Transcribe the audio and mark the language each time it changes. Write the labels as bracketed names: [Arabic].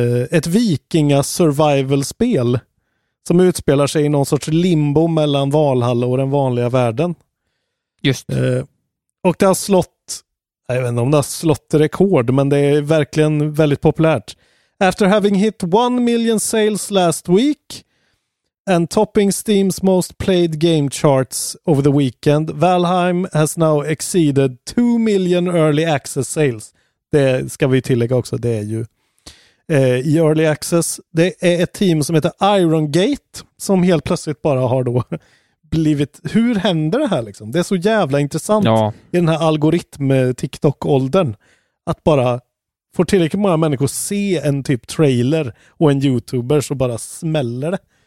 [Swedish] Ett vikinga-survival-spel som utspelar sig i någon sorts limbo mellan Valhalla och den vanliga världen. Just. Och det har slått, jag vet inte om det har slått rekord, men det är verkligen väldigt populärt. [English] After having hit 1 million sales last week and topping Steam's most played game charts over the weekend, Valheim has now exceeded 2 million early access sales. [Swedish] Det ska vi tillägga också, det är ju i early access. Det är ett team som heter Iron Gate som helt plötsligt bara har då blivit, hur händer det här liksom? Det är så jävla intressant i den här algoritm-TikTok-åldern att bara få tillräckligt många människor se en typ trailer och en YouTuber så bara smäller det.